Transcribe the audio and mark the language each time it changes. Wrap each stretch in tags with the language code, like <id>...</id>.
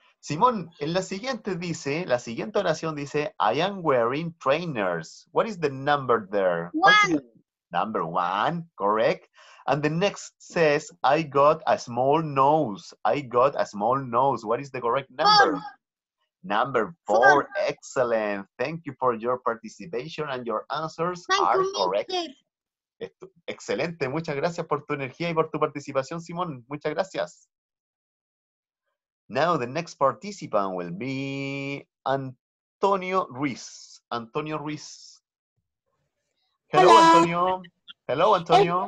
<es>Simón, en la siguiente dice, la siguiente oración dice,</es> <en>I am wearing trainers. What is the number there? One. Number one, correct. And the next says, I got a small nose. I got a small nose. What is the correct number? Four. Number four. Four, excellent. Thank you for your participation and your answers Thank are you, correct.</en> <es>Excelente. Muchas gracias por tu energía y por tu participación, Simón. Muchas gracias.</es> <en>Now the next participant will be Antonio Ruiz. Antonio Ruiz. Hello,</en> <es>Hola.</es> <en>Antonio. Hello, Antonio.</en>